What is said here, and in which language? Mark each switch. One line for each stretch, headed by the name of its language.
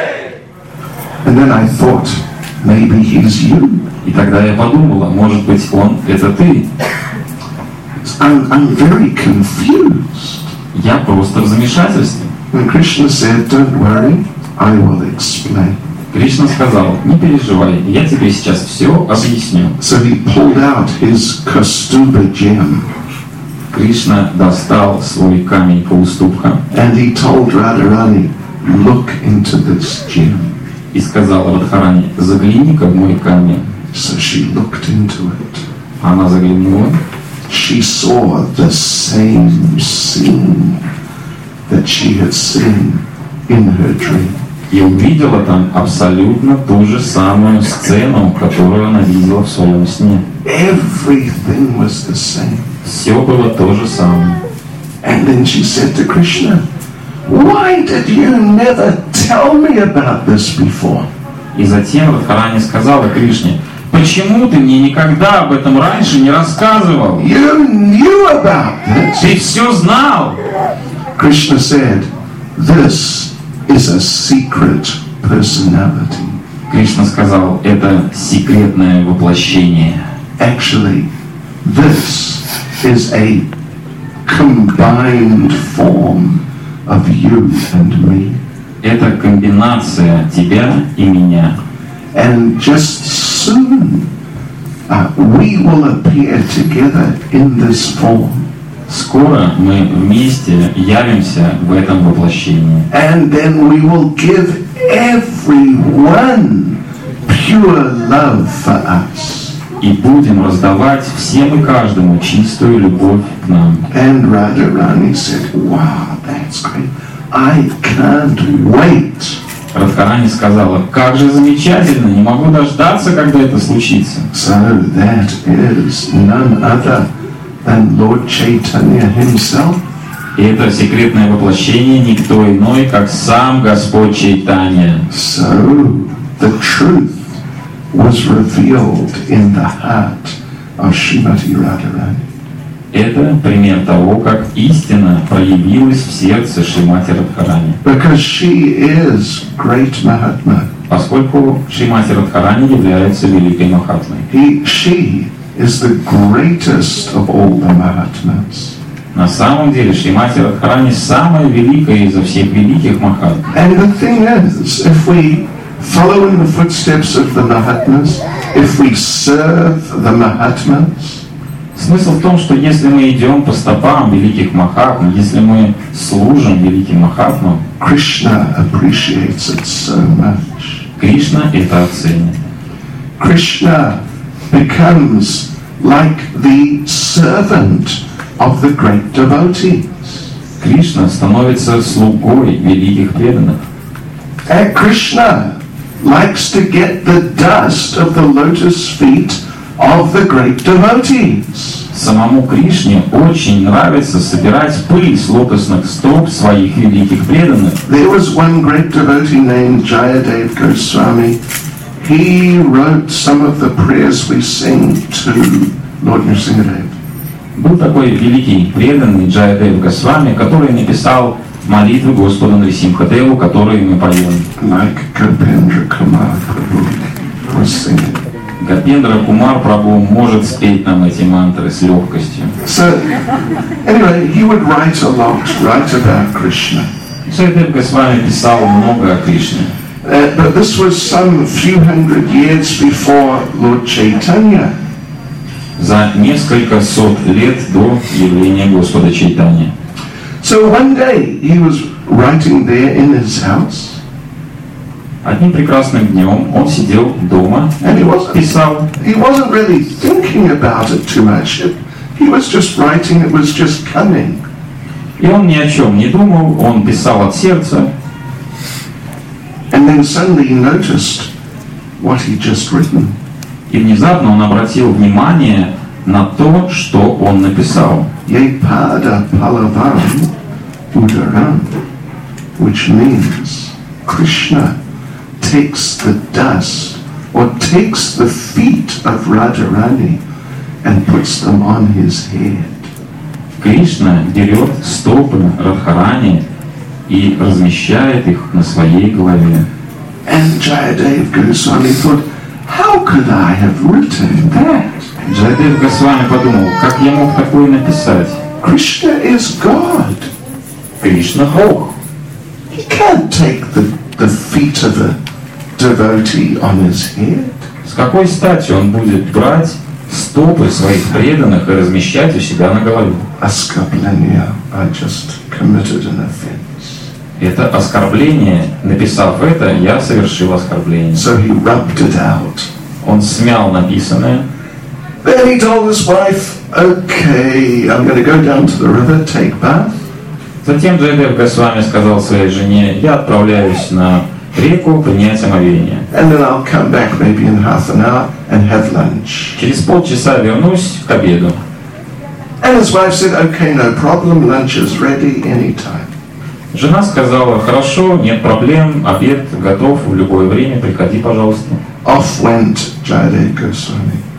English: And then I thought, maybe he's you.
Russian: И тогда я подумала, может быть, он это ты.
English: I'm very confused.
Russian: Я просто в замешательстве.
English: And Krishna said, don't worry, I will explain.
Russian: Кришна сказал, не переживай, я тебе сейчас все объясню.
English: So he pulled out his Kastuba gem.
Russian: Кришна достал свой камень Кауступха.
English: And he told Radharani, look into this gem.
Russian: И сказала Радхарани, загляни-ка в мой камень.
English: So she looked into it.
Russian: Она заглянула.
English: She saw the same scene that she had seen in her dream.
Russian: И увидела там абсолютно ту же самую сцену, которую она видела в своем сне.
English: Everything was the same.
Russian: Все было то же самое.
English: And then she said to Krishna, Why did you never tell me about this before?
Russian: И затем Радхарани сказала Кришне: почему ты мне никогда об этом раньше не рассказывал?
English: You knew about this.
Russian: Ты все знал.
English: Krishna said, this is a secret personality.
Russian: Кришна сказал, это секретное воплощение.
English: Actually, this is a combined form of you and me.
Russian: Это комбинация тебя и меня.
English: And just soon we will appear together in this form.
Russian: Скоро мы вместе явимся в этом воплощении.
English: And then we will give everyone pure love for us.
Russian: И будем раздавать всем и каждому чистую любовь к нам.
English: And Radharani said, "Wow, that's great. I can't wait."
Russian: Радхарани сказала: как же замечательно, не могу дождаться, когда это случится.
English: So that is none other than Lord Chaitanya himself.
Russian: И это секретное воплощение никто иной, как сам Господь Чайтанья.
English: So the truth was revealed in the heart of Shrimati Radharani.
Russian: Это пример того, как истина проявилась в сердце Шримати Радхарани.
English: Because she is great Mahatma.
Russian: Поскольку Шримати Радхарани является великой Махатмой.
English: He, she is the greatest of all the Mahatmas.
Russian: На самом деле Шримати Радхарани самая великая изо всех великих Махатм.
English: And the thing is, if we follow in the footsteps of the Mahatmas, if we serve the Mahatmas,
Russian: смысл в том, что если мы идем по стопам великих Махатм, если мы служим великим Махатмам,
English: Krishna appreciates it so much.
Russian: Кришна это оценит.
English: Krishna becomes like the servant of the great devotees.
Russian: Кришна становится слугой великих преданных.
English: And Krishna likes to get the dust of the lotus feet of the great devotees.
Russian: Самому Кришне очень нравится собирать пыль с лотосных стоп своих великих преданных.
English: There was one great devotee named Jayadev Goswami. He wrote some of the prayers we sing to Lord Nrisimhadev.
Russian: Был такой великий преданный Джаядев Госвами, который написал молитву Господу Нрисимхадеву, которую мы поем.
English: Like Gopendra Kumar Prabhu was singing.
Russian: Гопендра Кумар Прабху может спеть нам эти мантры с легкостью.
English: So, anyway, he would write a lot, write about Krishna.
Russian: Джаядев Госвами писал много о Кришне.
English: But this was some few hundred years before Lord Chaitanya.
Russian: За несколько сот лет до явления Господа Чайтаньи.
English: So one day he was writing there in his house.
Russian: Одним прекрасным днем он сидел дома
English: and
Russian: писал.
English: He wasn't really thinking about it too much. He was just writing, it was just coming.
Russian: И он ни о чем не думал, он писал от сердца.
English: And then suddenly he noticed what he'd just written.
Russian: И внезапно он обратил внимание на то, что он написал.
Sanskrit: Yepada Palavam Udaram,
English: which means Krishna takes the dust or takes the feet of Radharani and puts them on his head.
Russian: Кришна берет стопы Радхарани и размещает их на своей голове.
English: And Jayadev Goswami thought, how could I have written that?
Russian: Jayadev Goswami подумал, как я мог такое написать?
English: Krishna is God.
Russian: Кришна Бог.
English: He can't take the feet of a devotee on his head.
Russian: С какой стати он будет брать стопы своих преданных и размещать у себя на голове? Оскорбление.
English: I just committed an offense.
Russian: Это оскорбление. Написав это, я совершил оскорбление.
English: So he rubbed it out.
Russian: Он смял написанное.
English: Then he told his wife, okay, I'm going to go down to the river, take bath.
Russian: Затем Джайдев Госвами сказал своей жене, я отправляюсь на реку принять омовение.
English: And then I'll come back maybe in half an hour and have lunch.
Russian: Через полчаса вернусь к обеду.
English: And his wife said, okay, no problem, lunch is ready anytime.
Russian: Жена сказала: «Хорошо, нет проблем, обед готов в любое время, приходи, пожалуйста».
English: Off went Jayadev Goswami.